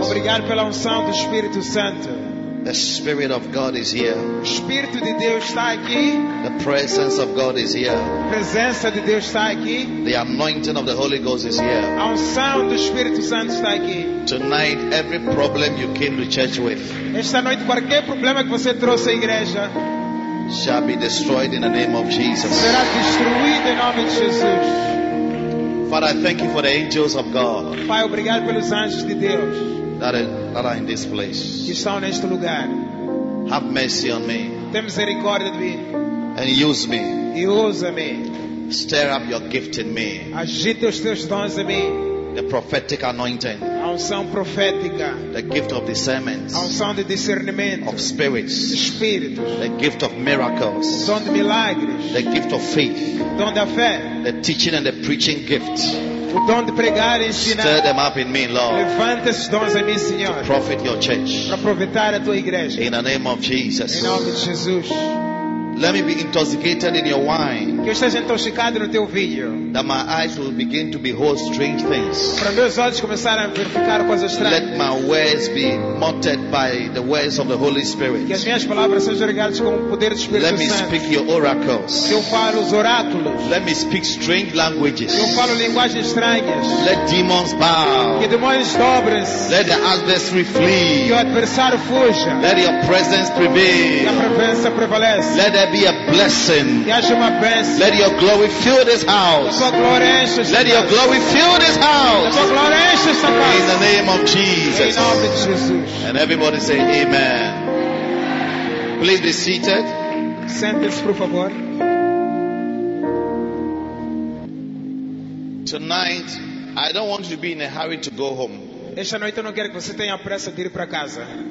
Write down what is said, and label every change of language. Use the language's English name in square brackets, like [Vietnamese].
[Portuguese] Obrigado pela unção do Espírito Santo. [English] The Spirit of God is here. [Portuguese] O Espírito de Deus está aqui. [English] The presence of God is here. [Portuguese] A presença de Deus está aqui. [English] The anointing of the Holy Ghost is here. [Portuguese] A unção do Espírito Santo está aqui. [English] Tonight, every problem you came to church with, [Portuguese] esta noite qualquer problema que você trouxe à igreja, [English] shall be destroyed in the name of Jesus. [Portuguese] Será destruído em nome de Jesus. [English] Father, I thank you for the angels of God. [Portuguese] Pai, obrigado pelos anjos de Deus. [English] That are in this place. [Portuguese] Que estão neste lugar. [English] Have mercy on me. [Portuguese] Tem misericórdia de mim. [English] And use me. [Portuguese] E usa-me. [English] Stir up your gift in me. [Portuguese] Agite os teus dons em mim. [English] The prophetic anointing. [Portuguese] A unção profética, [English] the gift of discernment, [Portuguese] a unção de discernimento, [English] of spirits, [Portuguese] espíritos, [English] the gift of miracles, [Portuguese] a unção de milagres, [English] the gift of faith, [Portuguese] a unção da fé, [English] the teaching and the preaching gift. [Portuguese] O dom de pregar e ensinar. [English] Stir them up in me, Lord. [Portuguese] Levanta esses dons em mim, Senhor. [English] To profit your church. [Portuguese] Para aproveitar a tua igreja. [English] In the name of Jesus. [Portuguese] Em nome de Jesus. [English] Let me be intoxicated in your wine. [Portuguese] Que eu esteja intoxicado no teu vinho. [English] That my eyes will begin to behold strange things. [Portuguese] Para meus olhos começarem a verificar coisas estranhas. [English] Let my words be motted by the words of the Holy Spirit. [Portuguese] Que as minhas palavras sejam regadas com o poder do Espírito [English] Let [Portuguese] Santo. [English] Let me speak your oracles. [Portuguese] Que eu fale os oráculos. [English] Let me speak strange languages. [Portuguese] Que eu fale linguagens estranhas. [English] Let demons bow. [Portuguese] Que demônios dobrem. [English] Let the adversary flee. [Portuguese] Que o adversário fuja. [English] Let your presence prevail. [Portuguese] Que a presença prevaleça. [English] Let there be a blessing. [Portuguese] Que haja uma bênção. [English] Let your glory fill this house. Let your glory fill this house. In the name of Jesus. And everybody say amen. Please be seated. [Portuguese] Sente-se, por favor. [English] Tonight, I don't want you to be in a hurry to go home. [Portuguese] Esta noite eu não quero que você tenha pressa de ir para casa.